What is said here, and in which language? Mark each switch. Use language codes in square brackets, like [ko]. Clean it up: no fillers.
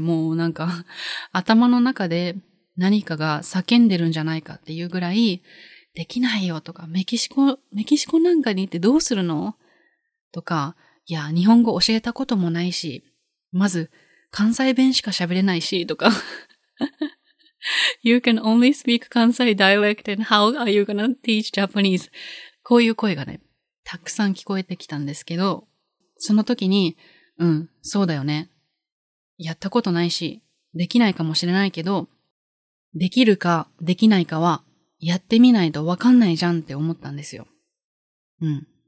[ja] もうなんか、頭の中で何かが叫んでるんじゃないかっていうぐらい、できないよとか、メキシコなんかに行ってどうするの？とか、いや、日本語教えたこともないし、まず、関西弁しか喋れないし、とか。 [en] You can only speak 関西 dialect and how are you gonna teach Japanese? [ja] こういう声がね、たくさん聞こえてきたんですけど、その時に、うん、そうだよね。やったことないし、できないかもしれないけど、できるかできないかは、やってみないとわかんないじゃんって思ったんですよ。うん。